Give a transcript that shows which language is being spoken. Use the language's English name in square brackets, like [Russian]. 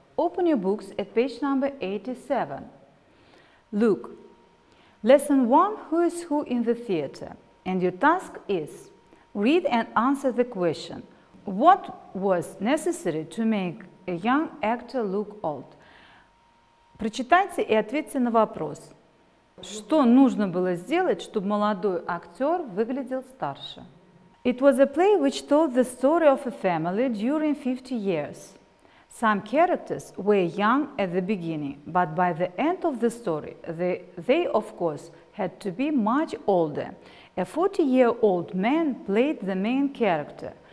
[English] Open your books at page number 87. Look, lesson 1, who is who in the theater? And your task is read and answer the question, what was necessary to make a young actor look old? [Russian] Прочитайте и ответьте на вопрос. Что нужно было сделать, чтобы молодой актер выглядел старше? [English] It was a play which told the story of a family during 50 years. Some characters were young at the beginning, but by the end of the story, they of course had to be much older. A 40-year-old man played the main character.